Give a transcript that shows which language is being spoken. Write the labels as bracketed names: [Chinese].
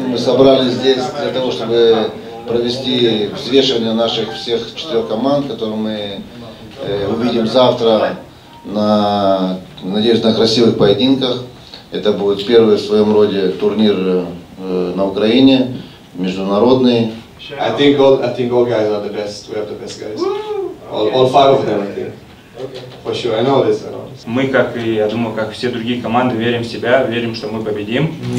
[Russian] Мы собрались здесь для того, чтобы провести взвешивание наших всех четырех команд, которые мы увидим завтра на, надеюсь, на красивых поединках. Это будет первый в своем роде турнир на Украине, международный. [English] I think all guys are the best. We have the best guys. All five of them, I think. For sure, I know this. [Russian] Мы, как и я думаю, как все другие команды, верим в себя, верим, что мы победим.